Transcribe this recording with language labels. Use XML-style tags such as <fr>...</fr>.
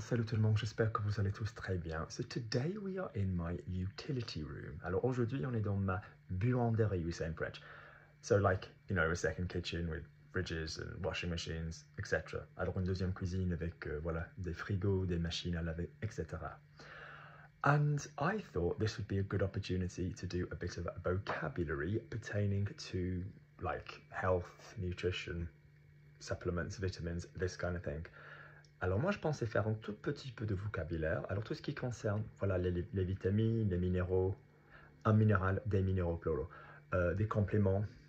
<fr>Salut tout le monde, j'espère que vous allez tous très bien.</fr> <en>So today we are in my utility room.</en> <fr>Alors aujourd'hui, on est dans ma buanderie,</fr> <en>we say in French. So like, you know, a second kitchen with fridges and washing machines, etc.</en> <fr>Alors une deuxième cuisine avec, voilà, des frigos, des machines à laver, etc.</fr> <en>And I thought this would be a good opportunity to do a bit of vocabulary pertaining to like health, nutrition, supplements, vitamins, this kind of thing.</en> <fr>Alors moi je pensais faire un tout petit peu de vocabulaire, alors tout ce qui concerne voilà les vitamines, les minéraux, un minéral, des minéraux plural, des compléments.</fr>